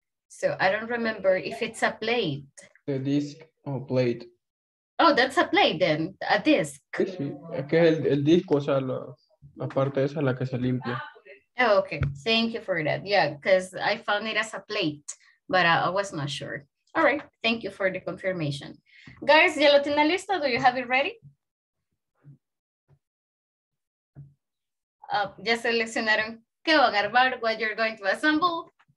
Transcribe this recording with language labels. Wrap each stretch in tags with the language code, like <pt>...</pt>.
<en>So I don't remember if it's a plate. The disc or plate. Oh, that's a plate then, a disc.</en> <es>Sí, sí. Es que el disco, o sea, lo, aparte esa, la que se limpia.</es> <en>Oh, okay, thank you for that. Yeah, because I found it as a plate, but I was not sure. All right, thank you for the confirmation. Guys, ¿ya lo tienen listo? Do you have it ready?</en> <es>Ya seleccionaron qué van a armar, what you're going to assemble.</es>